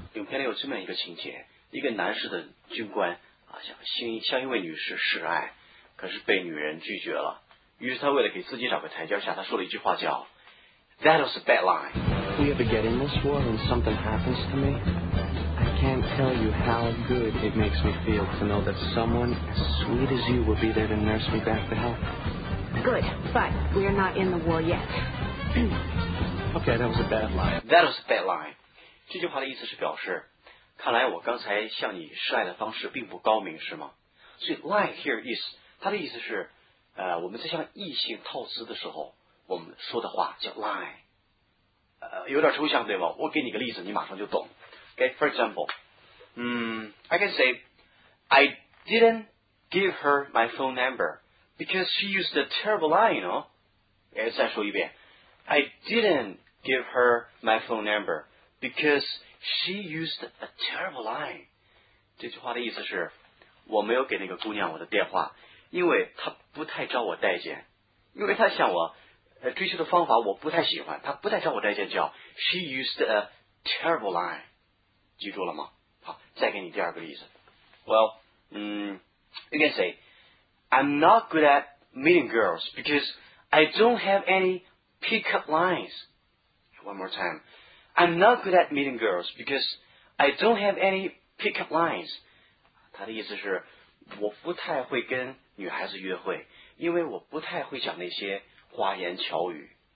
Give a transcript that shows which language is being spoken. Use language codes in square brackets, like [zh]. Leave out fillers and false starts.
[zh] 片里有这么一个情节，一个男士的军官啊，向一位女士示爱，可是被女人拒绝了。于是他为了给自己找个台阶下，他说了一句话叫 [en] "That was a bad line." We are beginning this war, and something happens to me. I can't tell you how good it makes me feel to know that someone as sweet as you will be there to nurse me back to health. Good, but we are not in the war yet. Okay, that was a bad line. That was a bad line. [zh] 这句话的意思是表示，看来我刚才向你示爱的方式并不高明，是吗？所以 lie here is 它的意思是，我们在向异性套词的时候，我们说的话叫 lie。有点抽象，对吗？我给你个例子，你马上就懂。 [en] Okay, for example, I can say I didn't give her my phone number because she used a terrible lie, you know? [zh] 再说一遍 [en] ，I didn't give her my phone number. Because she used a terrible line. [zh] 这句话的意思是，我没有给那个姑娘我的电话，因为她不太招我待见。因为她向我追求的方法我不太喜欢，她不太招我待见，叫 [en] She used a terrible line. [zh] 记住了吗？好，再给你第二个例子。 [en] Well, you can say, I'm not good at meeting girls because I don't have any pickup lines. One more time. I'm not good at meeting girls because I don't have any pickup lines. [zh] 他的意思是，我不太会跟女孩子约会，因为我不太会讲那些花言巧语。